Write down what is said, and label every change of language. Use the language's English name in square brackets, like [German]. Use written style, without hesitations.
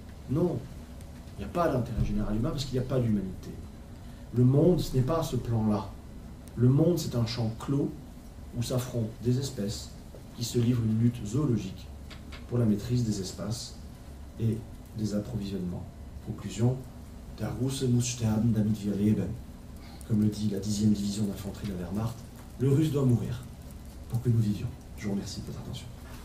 [French] Non, il n'y a pas d'intérêt général humain parce qu'il n'y a pas d'humanité. Le monde, ce n'est pas ce plan-là. Le monde, c'est un champ clos où s'affrontent des espèces qui se livrent une lutte zoologique pour la maîtrise des espaces et des approvisionnements. [German] Conclusion, Der Russe muss sterben, damit wir leben. [French] Comme le dit la 10e division d'infanterie de la Wehrmacht, le Russe doit mourir pour que nous vivions. Je vous remercie de votre attention.